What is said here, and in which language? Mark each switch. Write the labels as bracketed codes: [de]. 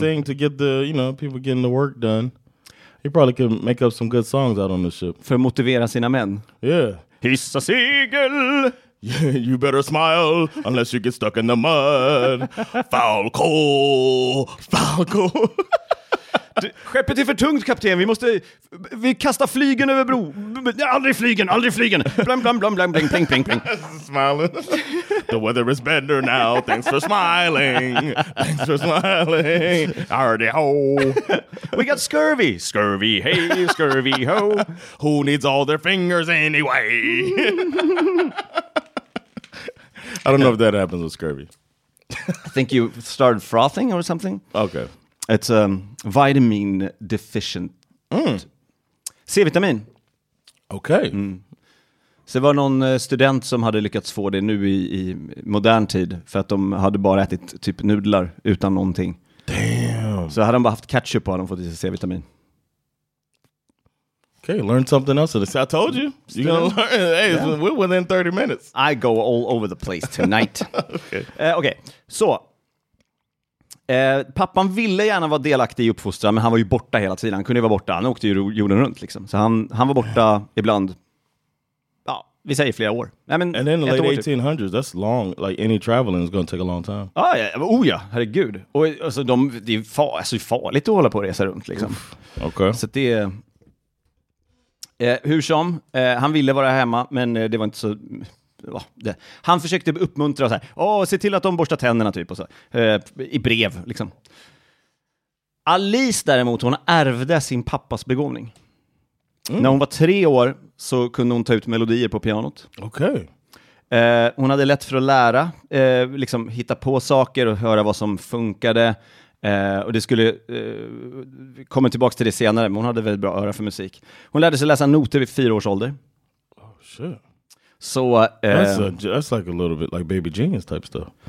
[en] Sing to get the, you know, people getting the work done. He probably could make up some good songs out on the ship. [sv] För att motivera sina män. [en] Yeah. [sv] Hissa segel. [en] You better smile unless you get stuck in the mud. Falco. Falco. [sv] Skeppet är för tungt, kapten. Vi kastar flygen över bro. Aldrig flygen. Blam, blam, blam, blam, bling, ping, ping, ping. [en] Smiling. The weather is better now. Thanks for smiling. Thanks for smiling. Hardy ho. We got scurvy. Scurvy, hey, scurvy ho. Who needs all their fingers anyway? I don't know if that happens with scurvy. I think you started frothing or something. Okay. It's a vitamin deficient. C-vitamin. Okay. Mm. [sv] Så det var någon student som hade lyckats få det nu i modern tid. För att de hade bara ätit typ nudlar utan någonting. [en] Damn. [sv] Så hade de bara haft ketchup och hade de fått lite C-vitamin. [en] Okay, learn something else. I told you. You're going to learn. Hey, yeah. We're within 30 minutes. I go all over the place tonight. Okay. [sv] Okay, så. Pappan ville gärna vara delaktig i uppfostran, men han var ju borta hela tiden. Han kunde ju vara borta. Han åkte ju jorden runt, liksom. Så han var borta ibland, ja, vi säger flera år. Nej, men [en] and in the late 1800s, typ. That's long. Like, any traveling is going to take a long time. [sv] Ah, ja, oh ja, herregud. Och alltså, det är farligt att hålla på och resa runt, liksom. Okej. Okay. Så det är... hur som, han ville vara hemma, men det var inte så... Han försökte uppmuntra och så här, se till att de borstar tänderna typ och så, i brev liksom. Alice däremot, hon ärvde sin pappas begåvning. Mm. När hon var 3 år så kunde hon ta ut melodier på pianot. Okej. Hon hade lätt för att lära, liksom hitta på saker och höra vad som funkade. Och det skulle komma tillbaka till det senare, men hon hade väldigt bra öra för musik. Hon lärde sig läsa noter vid 4 års ålder. [en] Oh shit. So that's like a little bit like baby genius type stuff.